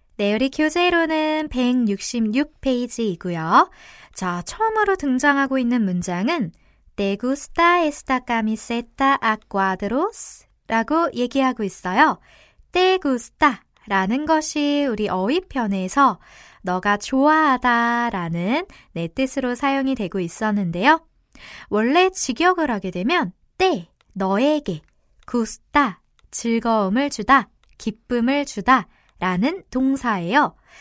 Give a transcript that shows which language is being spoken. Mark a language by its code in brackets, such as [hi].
[ko] 네, 우리 교재로는 166페이지이고요. 자, 처음으로 등장하고 있는 문장은 [es] Te gusta esta camiseta a cuadros? [ko] 라고 얘기하고 있어요. Te gusta 라는 것이 우리 어휘편에서 너가 좋아하다 라는 내 뜻으로 사용이 되고 있었는데요. 원래 직역을 하게 되면 Te, 너에게, gusta, 즐거움을 주다, 기쁨을 주다 라는 동사예요.